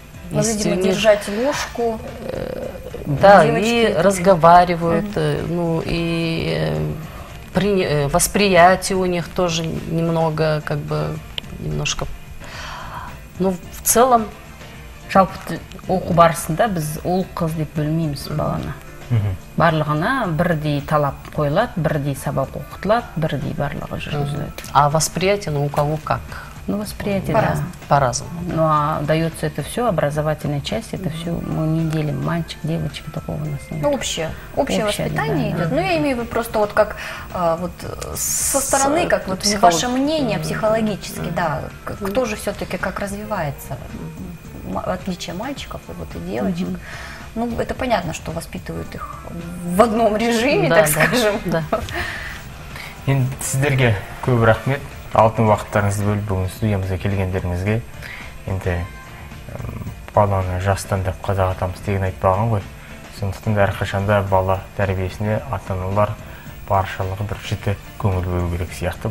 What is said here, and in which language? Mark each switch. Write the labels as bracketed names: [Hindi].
[Russian] Но, видимо, держать ложку... Да, девочки, и это... разговаривают, ну, и восприятие у них тоже немного, как бы, немножко, ну, в целом. [Kazakh] Жалпы, оқу барысында біз ол қыз деп бөлмейміз баланы. Барлығына бірдей талап қойлады, бірдей сабақ оқытылады, бірдей барлығы жүргізіледі. [Russian] А восприятие, ну, у кого как? Ну, восприятие, да. По-разному. Ну, а дается это все, образовательная часть, это все, мы не делим мальчик, девочек, такого у нас нет. Ну, общее воспитание, да, идет. Да. Ну, я имею в виду просто вот как, вот, со стороны, как вот ваше мнение психологически, да, кто же все-таки как развивается, в отличие мальчиков и вот и девочек. Ну, это понятно, что воспитывают их в одном режиме, да, так, да, скажем. [Kazakh] Сіздерге көп рахмет. Алтын уақыттарыңызды бөліп, бүгін студиямызға келгендеріңізге. Енді баланы жастан деп қазақ атамыз деген айтпаған ғой. Сондықтан да әрқашанда бала тәрбиесіне ата-аналар баршылығы бір жіті көңіл бөлу керек сияқты.